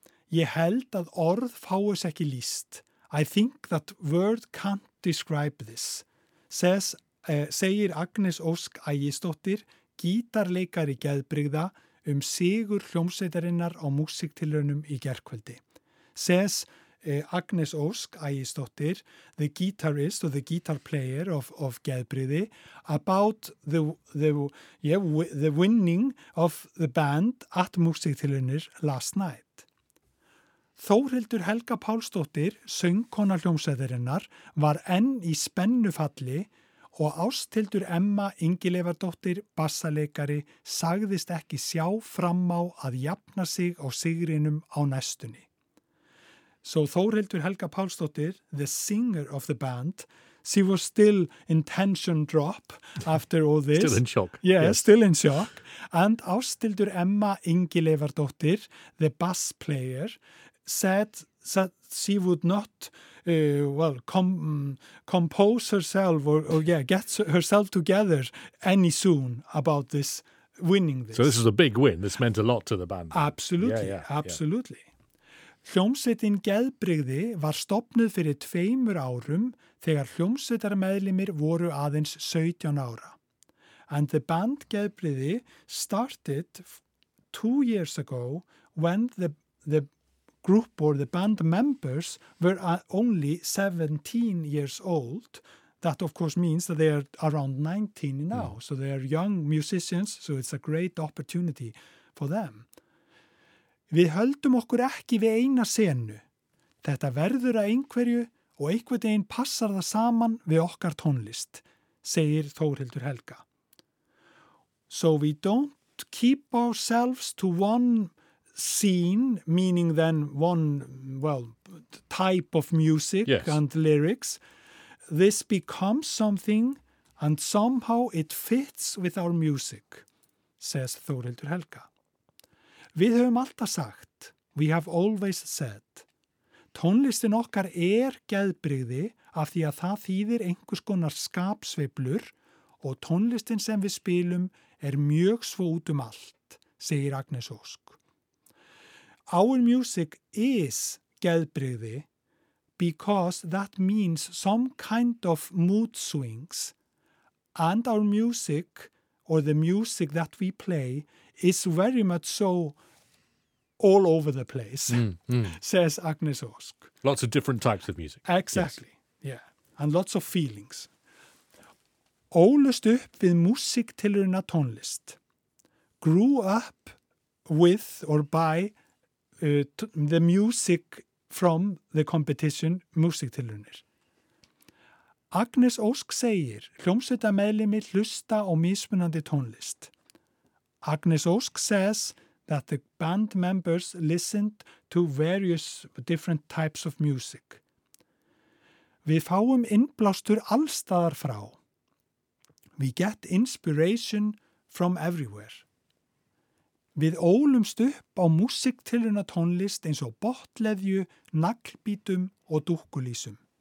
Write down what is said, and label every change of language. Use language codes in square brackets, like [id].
[is] Ég held að orð fáist ekki lýst. [en] I think that word can't describe this. [is] Segir Agnes Ósk Ægisdóttir, gítarleikari Geðbrigða, sigur hljómsveitarinnar á músíktilraunum í gærkvöldi. [en] Says Agnes Ósk Ægisdóttir, the guitarist or the guitar player of Geðbrigði, about the winning of the band at músíktilraunir last night. [is] Þórhildur Helga Pálsdóttir, söngkona hljómsveitarinnar, var enn í spennufalli og Ásthildur Emma Ingileifardóttir, bassaleikari, sagðist ekki sjá fram á að jafna sig á sigrinum á næstunni. [en] So Þórhildur Helga Pálsdóttir, the singer of the band, she was still in tension drop after all this. Still in shock. Yeah, still in shock. And Ásthildur Emma Ingileifardóttir, the bass player, said that she would not compose herself or get herself together any soon about this winning this. So this is a big win. This meant a lot to the band. Absolutely, absolutely. [is] Hljómsveitin Geðbrigði var stofnuð fyrir tveimur árum þegar hljómsveitarmeðlimir voru aðeins 17 ára. [en] And the band Geðbrigði started 2 years ago when the group or the band members were only 17 years old. That, of course, means that they are around 19 now. Mm. So they are young musicians, so it's a great opportunity for them. [is] Við höldum okkur ekki við eina senu. Þetta verður að einhverju og einhvern veginn passar það saman við okkar tónlist, segir Þórhildur Helga. [en] So we don't keep ourselves to one scene, meaning then one, type of music and lyrics, this becomes something and somehow it fits with our music, says Þórhildur Helga. [is] Við höfum alltaf sagt, [en] we have always said, [is] tónlistin okkar geðbrigði af því að það þýðir einhvers konar skapsveiflur og tónlistin sem við spilum mjög svo út allt, segir Agnes Ósk. [en] Our music is Geðbrigði because that means some kind of mood swings and our music or the music that we play is very much so all over the place, says Agnes Ósk. Lots of different types of music. Exactly, and lots of feelings. [is] Ólust upp við músíktilrauna tónlist. [en] Grew up with or by the music from the competition músíktilraunir. [is] Agnes Ósk segir, hljómsveitameðlimir hlusta á mismunandi tónlist. [en] Agnes Ósk says that the band members listened to various different types of music. [is] Við fáum innblástur allstaðar frá. [en] We get inspiration from everywhere. [is] Við ólumst upp á músiktilruna tónlist eins og botleðju, naglbítum og dúkkulísum.